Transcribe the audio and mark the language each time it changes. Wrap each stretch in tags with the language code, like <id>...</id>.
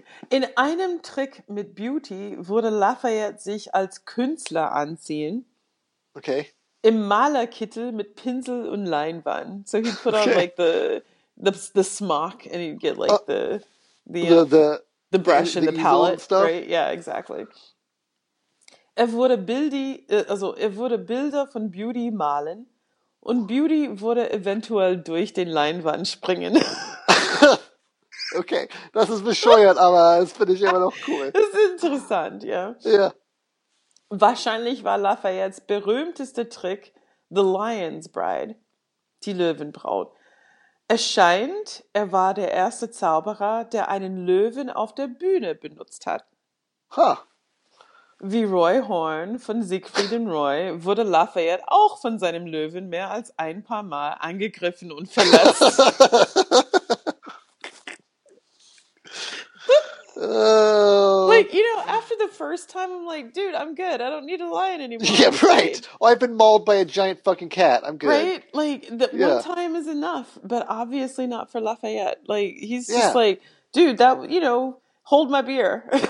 <de>In einem Trick mit Beauty würde Lafayette sich als Künstler anziehen. Okay. Im Malerkittel mit Pinsel und Leinwand.</de> <en>So he'd put on Okay. like the smock and he'd get like the brush and The the easel and palette, stuff. right? Yeah, exactly.</en> <de>Er würde Bilder von Beauty malen und Beauty würde eventuell durch den Leinwand springen. Okay, das ist bescheuert, aber das finde ich immer noch cool. Ist interessant, ja. Ja. Wahrscheinlich war Lafayettes berühmtester Trick The Lion's Bride, die Löwenbraut. Es scheint, er war der erste Zauberer, der einen Löwen auf der Bühne benutzt hat. Ha! Wie Roy Horn von Siegfried und Roy wurde Lafayette auch von seinem Löwen mehr als ein paar Mal angegriffen und verletzt.</de> <en>Like, you know, after the first time, I'm like, dude, I'm good. I don't need a lion anymore. Yeah, right. Oh, I've been mauled by a giant fucking cat. I'm good. Right? Like, one time is enough, but obviously not for Lafayette. Like, he's just like, dude, that, you know, hold my beer.</en>